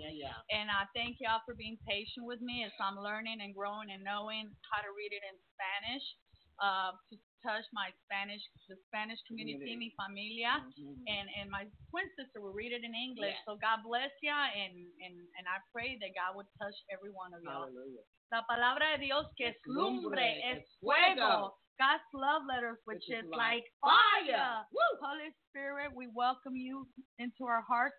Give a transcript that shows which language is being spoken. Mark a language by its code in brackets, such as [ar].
[en] And I thank y'all for being patient with me as I'm learning and growing and knowing how to read it in Spanish. Touch my Spanish, the Spanish community, [es] mi familia, [en] and my twin sister will read it in English. So God bless you, and I pray that God would touch every one of you. [es] La palabra de Dios que es lumbre, es fuego. [en] God's love letters, which is like fire. Woo! Holy Spirit, we welcome you into our hearts.